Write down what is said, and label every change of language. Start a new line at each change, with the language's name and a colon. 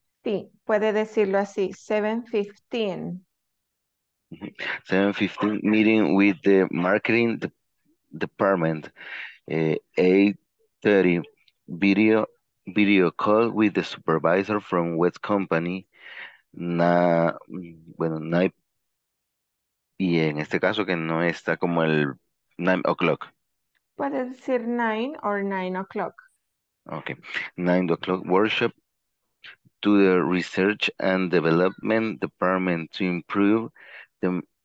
Spanish: Sí, puede decirlo así, 7:15.
English: 7:15 meeting with the marketing department, 8:30 video call with the supervisor from West Company.
Spanish: Bueno, 9. Y en este caso que no está como el 9 o'clock. Puede decir 9
English: or 9 o'clock. Okay, 9 o'clock workshop to the research and development department to improve the